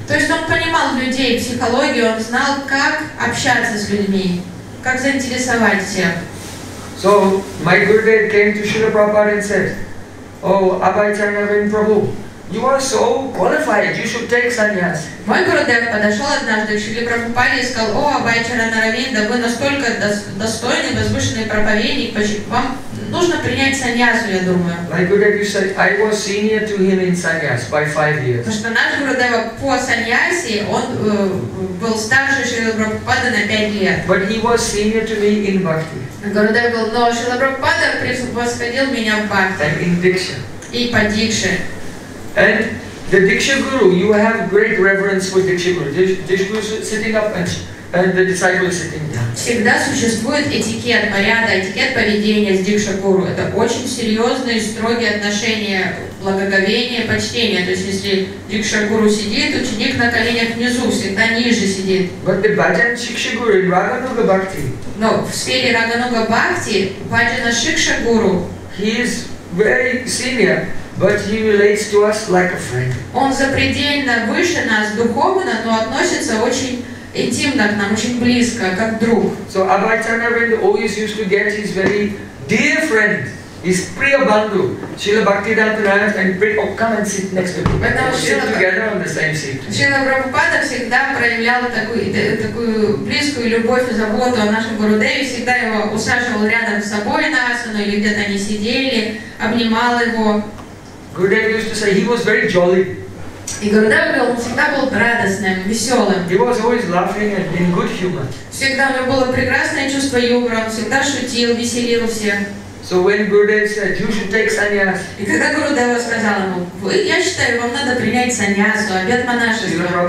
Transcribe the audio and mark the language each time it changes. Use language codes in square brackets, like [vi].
[ru] То есть он понимал людей, психологию, он знал, как общаться с людьми, как заинтересовать всех. [en] So my Gurudev came to Srila Prabhupada and said, "Oh, Abhay Charanaravinda Prabhu, you are so qualified, you should take sannyas." [ru] Мой Гурудев подошел однажды к Шриле Прабхупаде и сказал: "О, Абхай Чарнаравинда, вы настолько достойный, возвышенный проповедник, вам нужно принять саньясу, я думаю." [en] My Gurudev said, "I was senior to him in sannyas by 5 years." [ru] Потому что наш Гурудев по саньясе, он был старше Шриле Прабхупады на 5 лет. [en] But he was senior to me in bhakti. [ru] Гурудев был, но Шрила Прабхупада превосходил меня в бхакти. [en] And in diksha. [ru] И по дикше. [en] And the Diksha Guru, you have great reverence for Diksha Guru. Diksha Guru is sitting up and the disciple is sitting down. [ru] Всегда существует этикет, порядок, этикет поведения с Диксха Гуру. Это очень серьезные, строгие отношения, благоговение, почтение. То есть если Диксха Гуру сидит, ученик на коленях внизу, всегда ниже сидит. [en] But the Bhajan Shiksha Guru in Raghunuga Bhakti. [ru] Но в сфере Раганога Бхакти, Bhajana Shiksha Guru, [en] he is very senior. But he relates to us like a friend. [ru] Он запредельно выше нас духовно, но относится очень интимно к нам, очень близко, как друг. [en] So Abhay Charanaravinda always used to get his very dear friend, his Priya Bandhu, Srila Bhaktivedanta Narayana, and bring, "Oh, come and sit next to me." And sit together on the same seat. [ru] Srila Prabhupada всегда проявлял такую близкую любовь и заботу о нашем Гурудеве, всегда его усаживал рядом с собой на асану, или где-то они сидели, обнимал его. [en] Gurudev used to say he was very jolly. [ru] И Гурудев говорил, он всегда был радостным, веселым. [en] He was always laughing and in good humor. [ru] Всегда у него было прекрасное чувство юмора, он всегда шутил, веселил всех. [en] So when Gurudev said, "You should take sannyas." [ru] И когда Гурудев сказал ему, я считаю, вам надо принять саньясу, обет монашества.